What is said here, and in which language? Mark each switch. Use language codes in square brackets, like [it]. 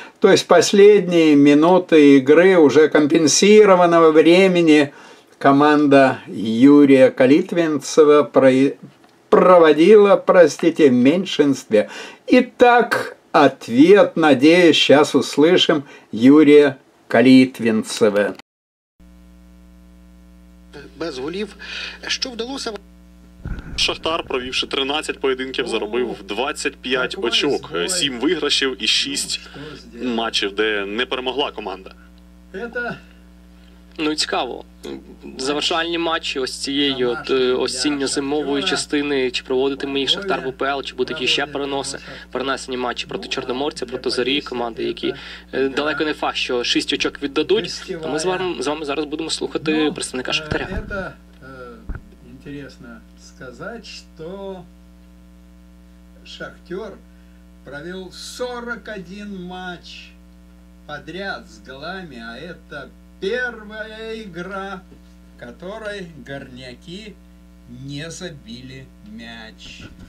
[ru] То есть последние минуты игры уже компенсированного времени команда Юрия Калитвинцева проводила, простите, в меньшинстве. Итак, ответ, надеюсь, сейчас услышим Юрия Калитвинцева. [uk] Без голів. Що вдалося? Шахтар, провівши 13 поєдинків, заробив 25 очок, 7 виграшів і 6 матчів, де не перемогла команда. Ну і цікаво. Завершальні матчі ось цієї от осінньо-зимової частини, чи проводитиме їх Шахтар в УПЛ, чи будуть ще переноси, перенесені матчі проти Чорноморця, проти Зорі, команди, які далеко не факт, що 6 очок віддадуть. То ми з вами зараз будемо слухати представника Шахтаря. [ru] Интересно сказать, что Шахтер провел 41 матч подряд с Галами, а это первая игра, в которой горняки не забили мяч.